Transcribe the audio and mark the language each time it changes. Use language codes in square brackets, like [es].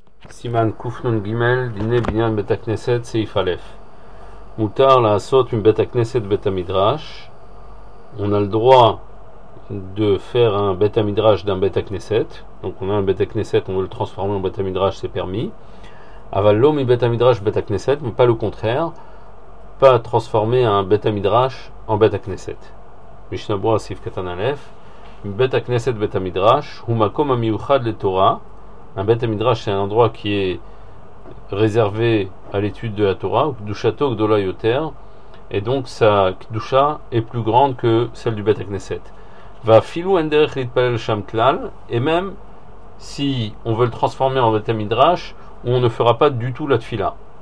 [he] סימן קנ"ג, דיני בניין בית הכנסת, סעיף א'. מותר לעשות מבית הכנסת בית המדרש. [fr] On a le droit de faire un בית המדרש d'un בית הכנסת. Donc on a un בית הכנסת, on veut le transformer en בית המדרש, c'est permis. [he] אבל לא מבית המדרש בית הכנסת, [fr] mais pas le contraire. Pas transformer un בית המדרש en בית הכנסת. [he] משנה ברורה, סעיף קטן א'. מבית הכנסת בית המדרש הוא מקום המיוחד לתורה. [fr] Un Bet Hamidrash, c'est un endroit qui est réservé à l'étude de la Torah, [he] Kdushato Gdola Yoter, [fr] et donc sa Kdusha est plus grande que celle du Bet Knesset. [he] Va Filou Enderech Litpalel Sham Klal, [fr] et même si on veut le transformer en Bet Hamidrash, on ne fera pas du tout la Tfila.